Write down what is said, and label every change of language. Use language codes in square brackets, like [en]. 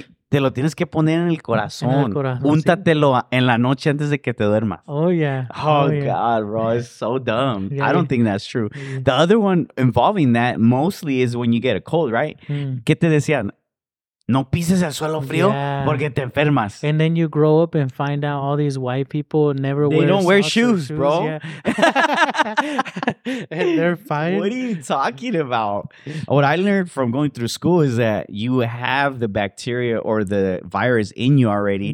[es] Te lo tienes que poner en el corazón. Úntatelo en la noche antes de que te duermas. [en] Oh, yeah. God, bro. Yeah. It's so dumb. Yeah, I don't think that's true. Yeah. The other one involving that mostly is when you get a cold, right? Mm. [es] ¿Qué te decían? No pises el suelo frío porque te enfermas. [en] And then you grow up and find out all these white people never wear socks. They don't wear shoes, bro. And they're fine. What are you talking about? What I learned from going through school is that you have the bacteria or the virus in you already.